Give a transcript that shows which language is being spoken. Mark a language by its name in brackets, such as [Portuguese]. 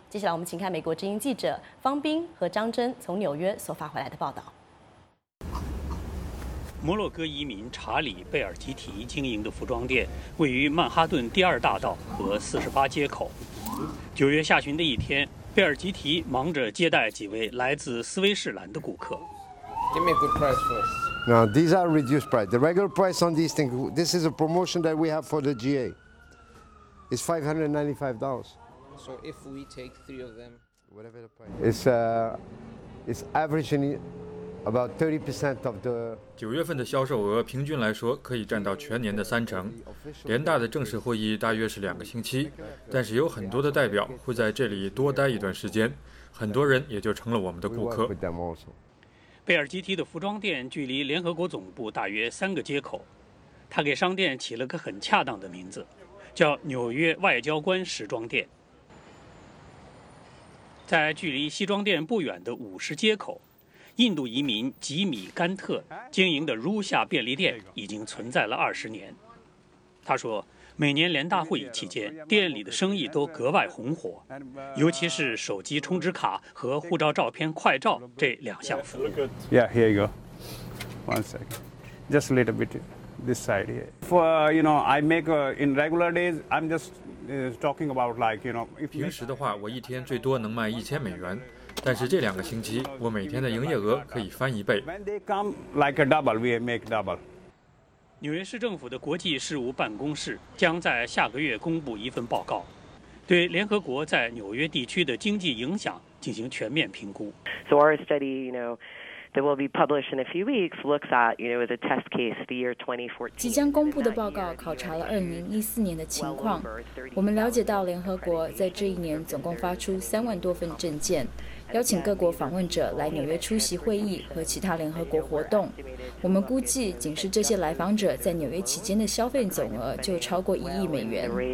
[Chinese] 接下来我们请看美国之音记者方斌和张真从纽约所发回来的报道。摩洛哥移民查理·贝尔提提经营的服装店位于曼哈顿第二大道和48街口。 9月下旬的一天，贝尔吉提忙着接待几位来自斯威士兰的顾客。 [English] Give me a good price first. Now, these are reduced price. The regular price on these things, this is a promotion that we have for the GA. It's $595. So if we take three of them, whatever the price is, it's averaging about 30% of the... [Chinese] 9月份的销售额平均来说可以占到全年的三成。联大的正式会议大约是两个星期，但是有很多的代表会在这里多待一段时间，很多人也就成了我们的顾客。贝尔基提的服装店距离联合国总部大约三个街口，他给商店起了个很恰当的名字，叫纽约外交官时装店。在距离西装店不远的五十街口，印度移民吉米·甘特经营的如下便利店已经存在了20年。他说，每年联大会议期间，店里的生意都格外红火，尤其是手机充值卡和护照照片快照这两项服务。 [English] Yeah, here you go. One second. Just a little bit this side here. If [Chinese] 平时的话，我一天最多能卖1000美元。但是这两个星期，我每天的营业额可以翻一倍。 [English] When they come like a double, we make double. [Chinese] 纽约市政府的国际事务办公室将在下个月公布一份报告，对联合国在纽约地区的经济影响进行全面评估。 [English] So our study, you know, that will be published in a few weeks, looks at, you know, the test case, the year 2014. [Chinese] 即将公布的报告考察了2014年的情况。我们了解到联合国在这一年总共发出30,000多份证件。邀请各国访问者来纽约出席会议和其他联合国活动。我们估计仅是这些来访者在纽约期间的消费总额就超过1亿美元。